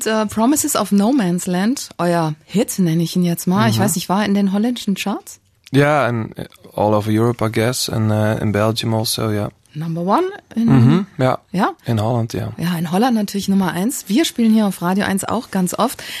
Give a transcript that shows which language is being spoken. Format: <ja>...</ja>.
<de>Promises of No Man's Land, euer Hit, nenne ich ihn jetzt mal. Mm-hmm. Ich weiß nicht, war in den holländischen Charts?</de> <en>Yeah, and all over Europe, I guess, and in Belgium also, yeah. Number one in, in Holland, ja.</en> <de>Ja, in Holland natürlich Nummer 1. Wir spielen hier auf Radio 1 auch ganz oft.</de>